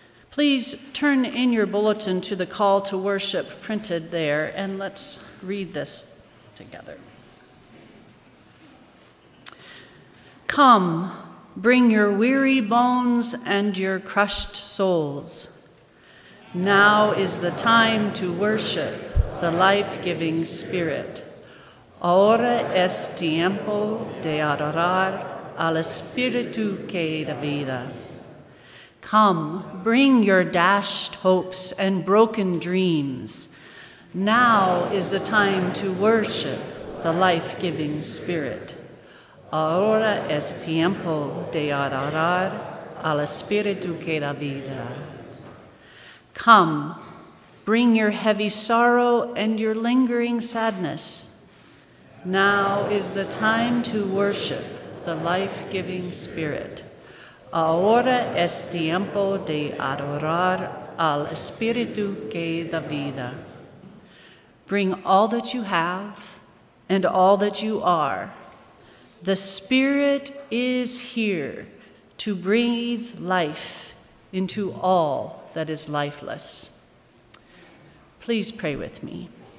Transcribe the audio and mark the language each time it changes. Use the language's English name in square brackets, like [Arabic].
[English] Please turn in your bulletin to the call to worship printed there, and let's read this together. Come, bring your weary bones and your crushed souls. Now is the time to worship the life-giving Spirit. [Spanish] Ahora es tiempo de adorar al Espíritu que da vida. [English] Come, bring your dashed hopes and broken dreams. Now is the time to worship the life-giving Spirit. [Spanish] Ahora es tiempo de adorar al Espíritu que da vida. [English] Come, bring your heavy sorrow and your lingering sadness. Now is the time to worship the life-giving Spirit. [Spanish] Ahora es tiempo de adorar al Espíritu que da vida. [English] Bring all that you have and all that you are. The Spirit is here to breathe life into all that is lifeless. Please pray with me.